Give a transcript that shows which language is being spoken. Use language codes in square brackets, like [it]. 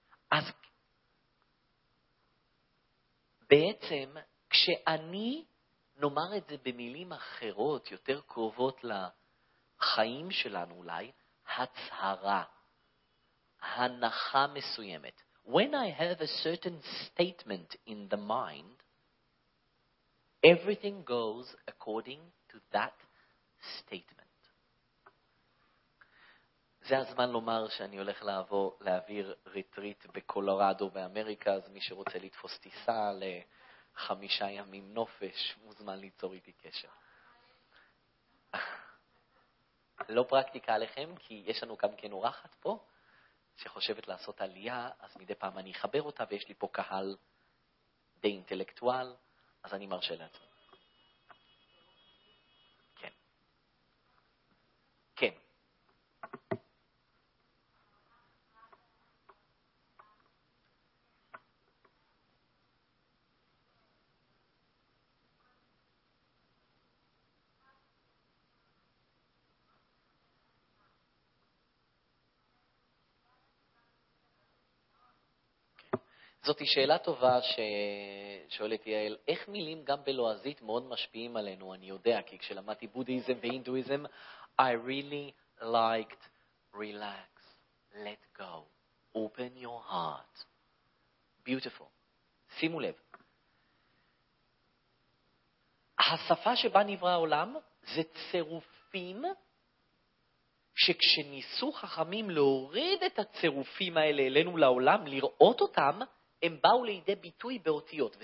[he] אז בעצם כשאני נאמר את זה במילים אחרות, יותר קרובות לחיים שלנו אולי, הצהרה, הנחה מסוימת. [en] When I have a certain statement in the mind, everything goes according to that statement. [he] זה הזמן לומר שאני הולך להעביר רטריט בקולורדו באמריקה, אז מי שרוצה לתפוס טיסה לחמישה ימים נופש, מוזמן ליצור איתי קשר. לא פרקטיקה עליכם, כי יש לנו גם כן אורחת פה, שחושבת לעשות עלייה, אז מדי פעם אני אחבר אותה, ויש לי פה קהל די אינטלקטואל, אז אני מרשה לעצמי. זאת שאלה טובה ששואלת יעל, איך מילים גם בלועזית מאוד משפיעים עלינו? אני יודע, כי כשלמדתי בודהיזם והינדואיזם, [en] I really liked relax, let go, open your heart. Beautiful. [he] שימו לב. השפה שבה נברא העולם זה צירופים שכשניסו חכמים להוריד את הצירופים האלה אלינו לעולם, לראות אותם, הם באו לידי ביטוי באותיות.